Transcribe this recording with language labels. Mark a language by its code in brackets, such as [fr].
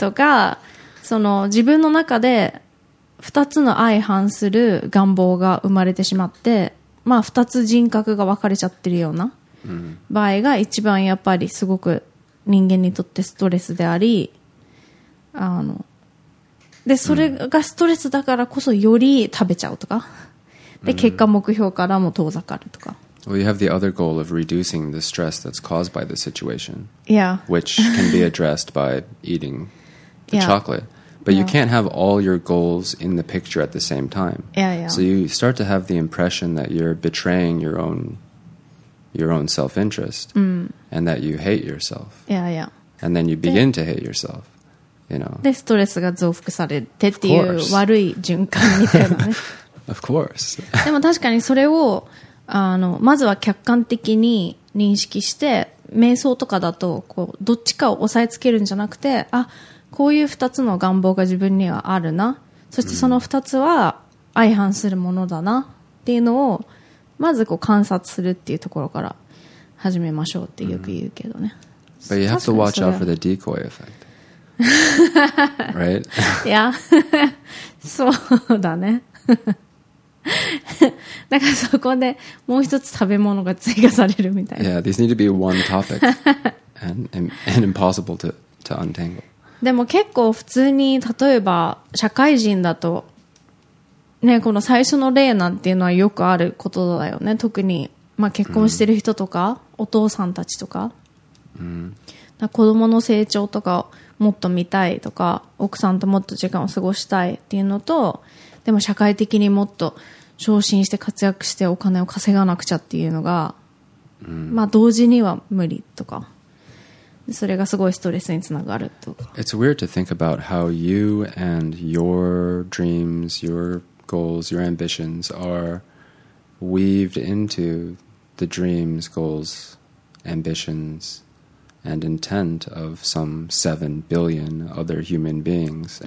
[ja] とか、その自分の中で2つの相反する願望が生まれてしまって、まあ2つ人格が分かれちゃってるような場合が一番やっぱりすごく人間にとってストレスであり、でそれがストレスだからこそより食べちゃうとか、で結果目標からも遠ざかるとか、 [en] Well, you have the other goal of reducing the stress that's caused by the situation. Yeah. Which can be addressed by eating the chocolate. But you can't have all your goals in the picture at the same time. Yeah, yeah. So you start to have the impression that you're betraying your own self-interest and that you hate yourself. Yeah, yeah. And then you begin to hate yourself, you know. [ja] で、ストレスが増幅されてっていう悪い循環みたいなね。 [en] Of course. [ja] でも確かにそれをまずは客観的に認識して、瞑想とかだとこうどっちかを押さえつけるんじゃなくて、あ、こういう2つの願望が自分にはあるな。そしてその2つは相反するものだなっていうのをまずこう観察するっていうところから始めましょうってよく言うけどね。 [en] But you have to watch out for the decoy effect. Right? Yeah. [ja] そうだね。だからそこでもう一つ食べ物が追加されるみたいな。 [en] Yeah, this need to be one topic. And impossible to untangle. [ja] でも結構普通に例えば社会人だとね、この最初の例なんていうのはよくあることだよね。特に、まあ、結婚してる人とか、お父さんたちとか。だから子供の成長とかもっと見たいとか、奥さんともっと時間を過ごしたいっていうのと、でも社会的にもっと昇進して活躍してお金を稼がなくちゃっていうのが、まあ同時には無理とか。それがすごいストレスにつながるとか。 [en] It's weird to think about how you and your dreams, your goals, your ambitions are weaved into the dreams, goals, ambitions, and intent of some 7 billion other human beings.